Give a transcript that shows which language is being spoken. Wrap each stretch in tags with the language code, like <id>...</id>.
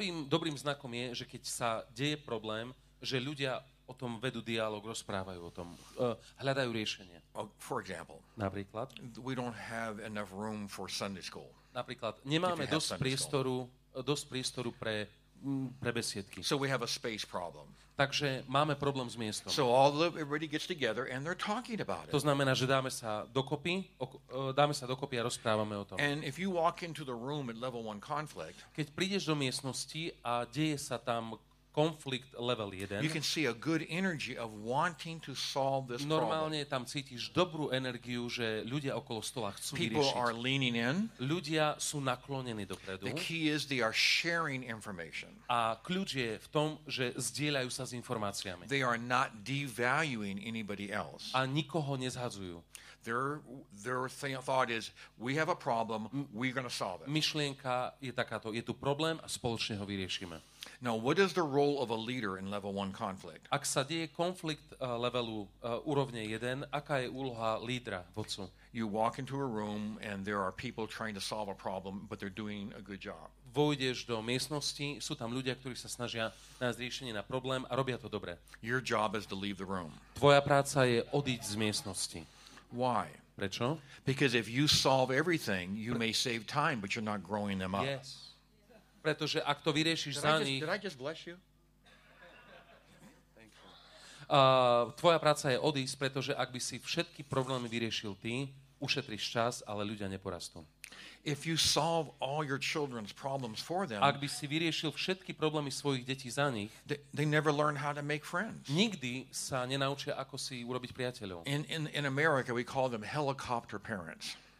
<sk>Dobrým znakom je, že keď sa deje problém, že ľudia o tom vedú dialog, rozprávajú o tom, hľadajú riešenie.</sk> <en>For example.</en> <sk>Napríklad.</sk> <en>We don't have enough room for Sunday school.</en> <sk>Napríklad, nemáme dosť priestoru pre besiedky.</sk> <en>So we have a space problem.</en> <sk>Takže máme problém s miestom.</sk> <en>So everybody gets together and they're talking about it.</en> <sk>To znamená, že dáme sa dokopy a rozprávame o tom.</sk> <en>And if you walk into the room at level 1 conflict,</en> <sk>keď prídeš do miestnosti a deje sa tam konflikt level 1.</sk> <en>You can see a good energy of wanting to solve this</en> <sk>normálne</sk> <en>problem.</en> <sk>Tam cítiš dobrú energiu, že ľudia okolo stola chcú</sk> <en>people</en> <sk>vyriešiť.</sk> <en>People are leaning in.</en> <sk>Ľudia sú naklonení dopredu.</sk> <en>The key is they are sharing information.</en> <sk>A kľúč je v tom, že zdieľajú sa s informáciami.</sk> <en>They are not devaluing anybody else.</en> <sk>A nikoho nezhadzujú.</sk> <en>Their thought is we have a problem, we're going to solve it.</en> <sk>Myšlienka je takáto, je tu problém a spoločne ho vyriešime.</sk> <en>Now, what is the role of a leader in level 1 conflict?</en> <sk>Ak sa deje konflikt levelu úrovne 1, aká je úloha lídra, vodcu?</sk> <en>You walk into a room and there are people trying to solve a problem, but they're doing a good job.</en> <sk>Vojdeš do miestnosti, sú tam ľudia, ktorí sa snažia nájsť riešenie na problém a robia to dobre.</sk> <en>Your job is to leave the room.</en> <sk>Tvoja práca je odísť z miestnosti.</sk> <en>Why?</en> <sk>Prečo?</sk> <en>Because if you solve everything, you may save time, but you're not growing them up. Yes.</en> <sk>Pretože ak to vyriešiš za nich...</sk> <en>Did I just bless you? Thank you.</en> <sk>Tvoja práca je odísť, pretože ak by si všetky problémy vyriešil ty, ušetriš čas, ale ľudia neporastú.</sk> <en>If you solve all your children's problems for them,</en> <sk>ak by si vyriešil všetky problémy svojich detí za nich,</sk> <en>they never learn how to make friends.</en> <sk>Nikdy sa nenaučia, ako si urobiť priateľov.</sk> <en>In America we call them helicopter parents.</en>